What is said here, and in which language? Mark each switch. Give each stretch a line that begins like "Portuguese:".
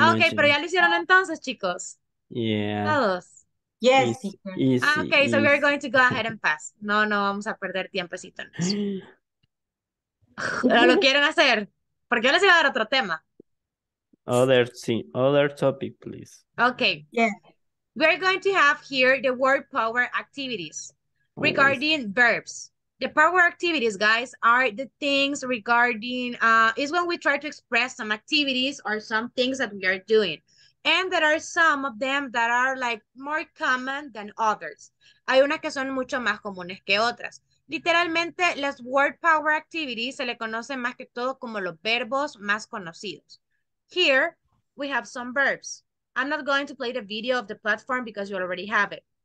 Spanish: Ok, pero ya lo hicieron entonces, chicos.
English: Yeah.
Spanish: Todos.
English: Yes, Easy, easy, okay, so we're easy. going to go ahead and pass.
Spanish: No, no, vamos a perder tiempecito en eso. ¿Lo quieren hacer? Porque yo les iba a dar otro tema.
English: Other, sí, other topic, please. Okay. Yeah. We're going to have here the word power activities regarding verbs. The power activities, guys, are the things regarding, is when we try to express some activities or some things that we are doing. And there are some of them that are like more common than others.
Spanish: Hay unas que son mucho más comunes que otras. Literalmente, las word power activities se le conocen más que todo como los verbos más conocidos.
English: Here, we have some verbs. I'm not going to play the video of the platform because you already have it.